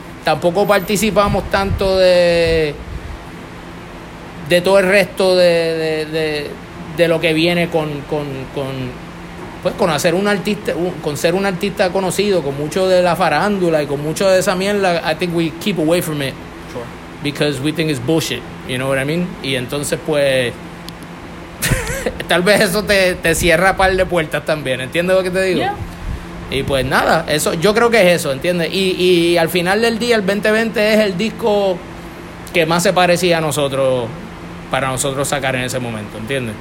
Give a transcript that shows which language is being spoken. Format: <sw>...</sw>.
<es>Tampoco participamos tanto de todo el resto de lo que viene con hacer un artista, con ser un artista conocido, con mucho de la farándula y con mucho de esa mierda.</es> <en>I think we keep away from it. Sure. Because we think it's bullshit, you know what I mean?</en> <es>Y entonces pues tal vez eso te cierra un par de puertas también, ¿entiendes lo que te digo?</es> <en>Yeah.</en> <es>Y pues nada, eso yo creo que es eso, ¿entiendes? Y al final del día, el 2020 es el disco que más se parecía a nosotros, para nosotros sacar en ese momento, ¿entiendes?</es>